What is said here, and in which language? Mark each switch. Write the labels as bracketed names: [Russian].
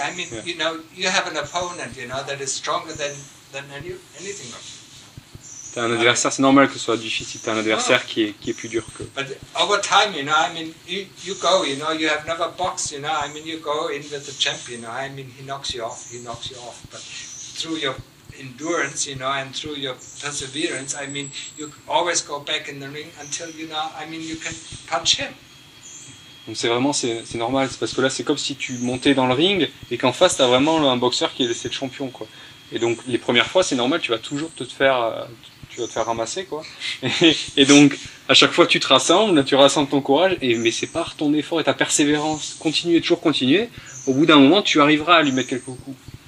[English] I mean, you know, you have an opponent, you know, that is stronger than anything of you. [French] T'as un adversaire, c'est normal que ce soit difficile. T'as un adversaire qui est plus dur que. [English] But over time, you know, I mean, you go, you know, you have never boxed, you know, I mean, you go in with the champion. I mean, he knocks you off. But through your endurance, you know, and through your perseverance, I mean, you always go back in the ring until, you know, I mean, you can punch him. [French] Donc c'est vraiment, c'est normal, c'est parce que là, c'est comme si tu montais dans le ring et qu'en face, t'as vraiment un boxeur qui est le champion, quoi. Et donc, les premières fois, c'est normal, tu vas toujours te faire ramasser, quoi. Et donc, à chaque fois, tu rassembles ton courage, mais c'est par ton effort et ta persévérance, continuer, au bout d'un moment, tu arriveras à lui mettre quelques coups.